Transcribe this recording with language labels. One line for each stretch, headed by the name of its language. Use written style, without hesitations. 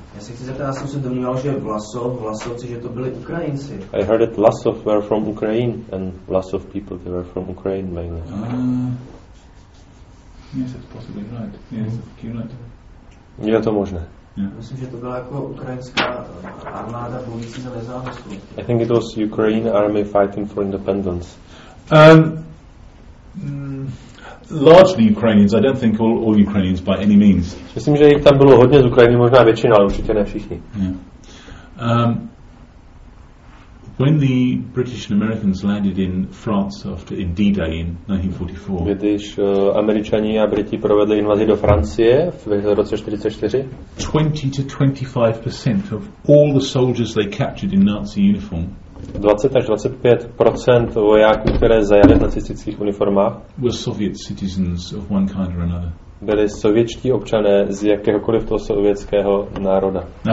Czech: Já se chci zeptat, já jsem se domníval, že Vlasovci, že to byli Ukrajinci.
English: I heard that Vlasov were from Ukraine, and Vlasov people, they were from Ukraine mainly. Yes, that's possibly right. Yes, Q-letter.
Czech: Je to možné. Myslím, že to byla jako ukrajinská armáda bojící za nezávislost.
English: I think it was Ukraine army fighting for independence. Largely Ukrainians, I don't think all Ukrainians by any means.
Czech: Myslím, že jich tam bylo hodně z Ukrajiny, možná většina, ale určitě ne všichni.
English: When the British and Americans landed in France after in D-Day in 1944.
Czech: Když Američani a Briti provedli invazi do Francie v roce 1944.
English: 20-25% of all the soldiers they captured in Nazi uniform.
Czech: 20-25% vojáků, které zajali v nacistických uniformách,
English: were Soviet citizens of one kind or another.
Czech: Byli sovětští občané z jakéhokoliv toho sovětského národa.